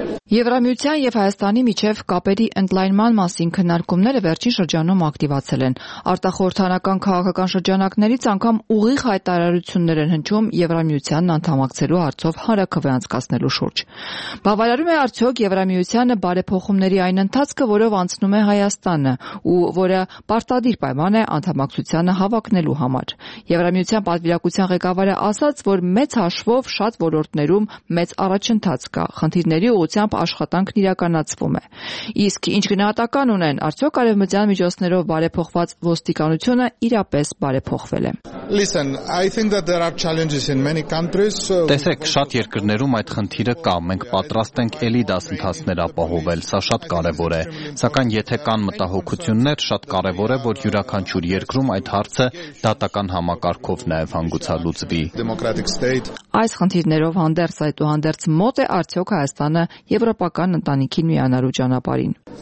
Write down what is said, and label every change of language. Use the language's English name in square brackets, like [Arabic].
[Armenian] Եվրամիության եւ Հայաստանի միջև կապերի ընդլայնման մասին քննարկումները վերջին շրջանում ակտիվացել են։ Արտախորհրդանական քաղաքական շրջանակներից անգամ ուղիղ հայտարարություններ են հնչում Եվրամիությանն անդամակցելու հարցով հարակը վերանցկացնելու շուրջ։ Բավարարում է արդյոք Եվրամիությանը բարեփոխումների այն ընթացքը, որով անցնում է Հայաստանը, ու որը պարտադիր պայման է անդամակցությանը հավակնելու համար։ Եվրամիության պատվիրակության ղեկավարը ասաց, որ մեծ հաշվով շատ ոլորտներ գործերում մեծ առաջընթաց կա, խնդիրների ուղղությամբ աշխատանքն իրականացվում է։ Իսկ ինչ գնահատական ունեն, արդյոք արևմտյան միջոցներով բարեփոխված ոստիկանությունը իրապես բարեփոխվել է։ [English] Listen, I think that there are challenges in many countries. [Armenian] Տեսեք, շատ երկրներում այդ խնդիրը կա, մենք պատրաստ ենք էլի դասընթացներ ապահովել, սա շատ կարևոր է։ Սակայն եթե կան մտահոգություններ, շատ կարևոր է, որ յուրաքանչյուր երկրում այդ հարցը դատական համակարգով նաև հանգուցալուծվի։ Այս խնդիրներով հանդերձ այդուհանդերձ մոտ է արդյոք Հայաստանը եվրոպական ընտանիքին միանալու ճանապարհին։